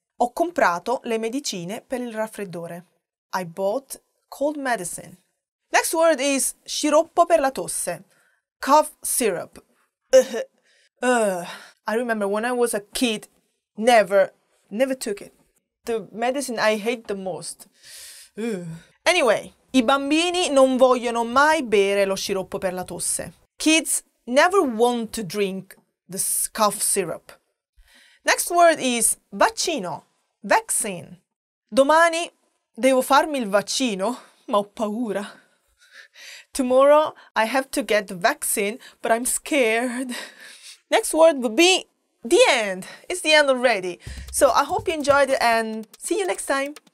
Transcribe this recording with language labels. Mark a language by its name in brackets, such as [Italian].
[Italian] Ho comprato le medicine per il raffreddore. [English] I bought cold medicine. Next word is sciroppo per la tosse. Cough syrup. I remember when I was a kid, never took it. The medicine I hate the most. [Italian] Anyway, i bambini non vogliono mai bere lo sciroppo per la tosse. [English] Kids never want to drink the cough syrup. Next word is vaccino. Vaccine. [Italian] Domani devo farmi il vaccino, ma ho paura. [English] Tomorrow I have to get the vaccine, but I'm scared. Next word would be the end. It's the end already. So I hope you enjoyed it and see you next time.